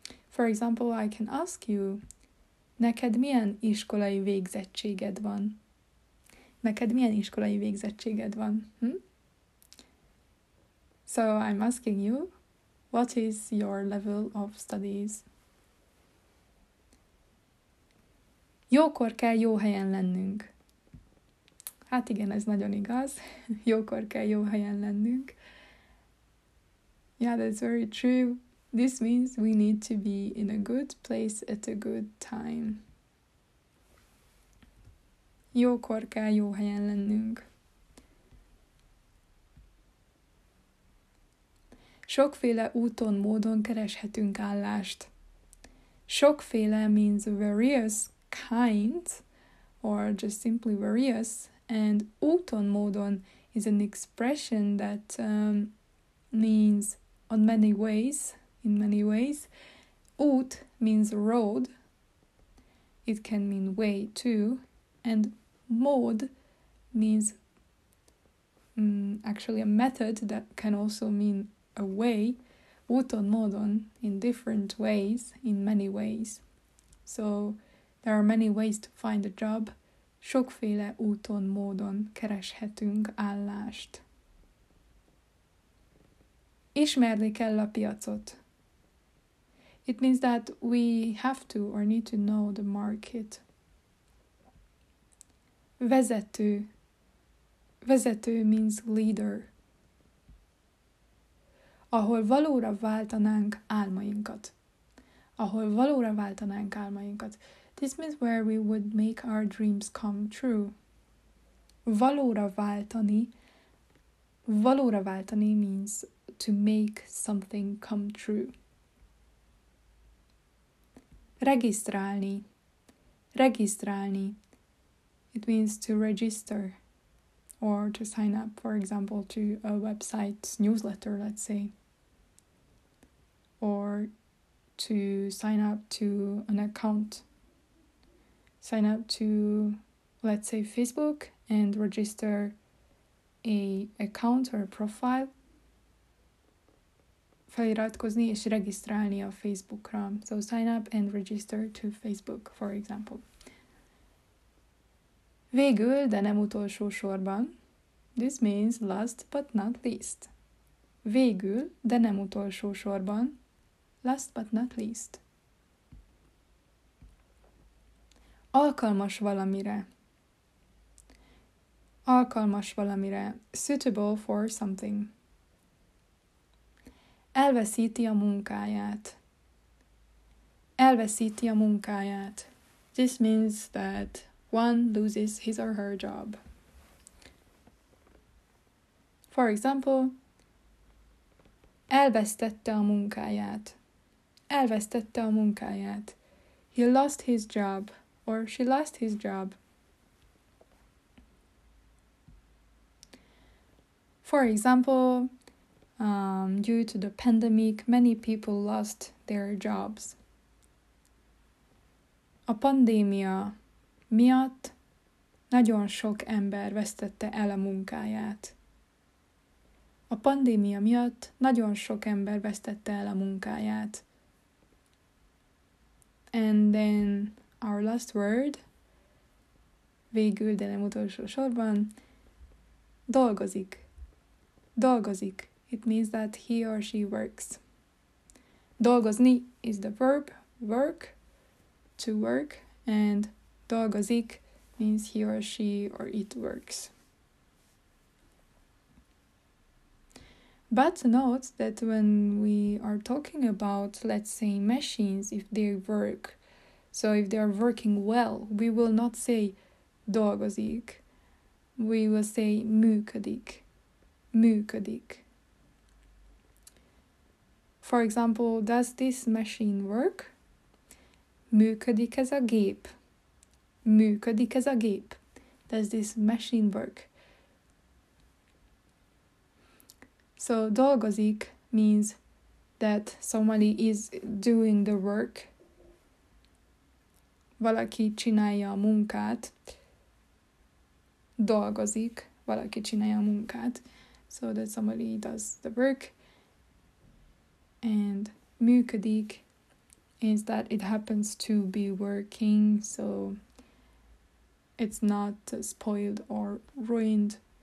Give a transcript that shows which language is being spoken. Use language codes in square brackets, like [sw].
[en] For example, I can ask you, [hu] neked milyen iskolai végzettséged van? Neked milyen iskolai végzettséged van? [en] So I'm asking you, what is your level of studies? [hu] Jókor kell jó helyen lennünk. Hát igen, ez nagyon igaz. Jókor kell jó helyen lennünk. [en] Yeah, that's very true. This means we need to be in a good place at a good time. [hu] Jókor kell jó helyen lennünk. Sokféle úton, módon kereshetünk állást. [en] Sokféle means various kinds, or just simply various, and úton, módon is an expression that means on many ways, in many ways. Út means road. It can mean way too. And mód means actually a method that can also mean a way. Úton, módon, in different ways, in many ways. So there are many ways to find a job. [hu] Sokféle úton, módon kereshetünk állást. Ismerni kell a piacot. [en] It means that we have to or need to know the market. Vezető. Vezető means leader. [hu] Ahol valóra váltanánk álmainkat. Ahol valóra váltanánk álmainkat. [en] This means where we would make our dreams come true. Valóra váltani means to make something come true. [hu] Regisztrálni. Regisztrálni. [en] It means to register or to sign up, for example, to a website's newsletter, let's say. Or to sign up to an account. Sign up to, let's say, Facebook and register a account or a profile. [hu] Feliratkozni és regisztrálni a Facebookra. [en] So sign up and register to Facebook, for example. [hu] Végül, de nem utolsó sorban. [en] This means last but not least. [hu] Végül, de nem utolsó sorban. [en] Last but not least. [hu] Alkalmas valamire. Alkalmas valamire. [en] Suitable for something. [hu] Elveszíti a munkáját. Elveszíti a munkáját. [en] This means that one loses his or her job. For example, [hu] elvesztette a munkáját. Elvesztette a munkáját. [en] He lost his job, or she lost his job. For example, due to the pandemic, many people lost their jobs. [hu] A pandémia miatt nagyon sok ember vesztette el a munkáját. A pandémia miatt nagyon sok ember vesztette el a munkáját. [en] And then our last word, [hu] végül, de nem utolsó sorban, [en] dolgozik. [hu] Dolgozik. [en] It means that he or she works. Dolgozni is the verb, work, to work, and dolgozik means he or she or it works. But note that when we are talking about, let's say, machines, if they work, so if they are working well, we will not say dolgozik. We will say működik. Működik. For example, does this machine work? [hu] Működik ez a gép. Működik ez a gép. [en] Does this machine work? So, dolgozik means that somebody is doing the work. [hu] Valaki csinálja a munkát. Dolgozik. Valaki csinálja a munkát. [en] So that somebody does the work. And működik is that it happens to be working, so it's not spoiled or ruined.